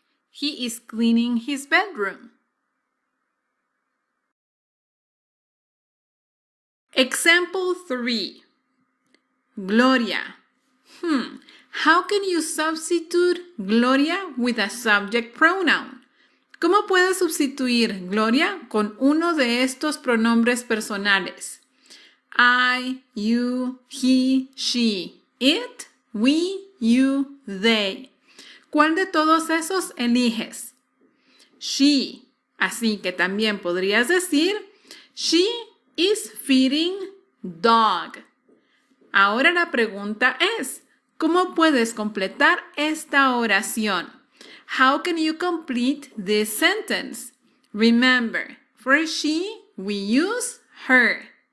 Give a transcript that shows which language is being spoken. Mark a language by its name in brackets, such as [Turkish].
[English] He is cleaning his bedroom. Example 3. Gloria. How can you substitute Gloria with a subject pronoun? [Spanish] ¿Cómo puedes sustituir Gloria con uno de estos pronombres personales? [English] I, you, he, she, it, we, you, they. [Spanish] ¿Cuál de todos esos eliges? She. Así que también podrías decir, [English] she is feeding dog. [Spanish] Ahora la pregunta es, ¿cómo puedes completar esta oración? [English] How can you complete this sentence? Remember, for she, we use her.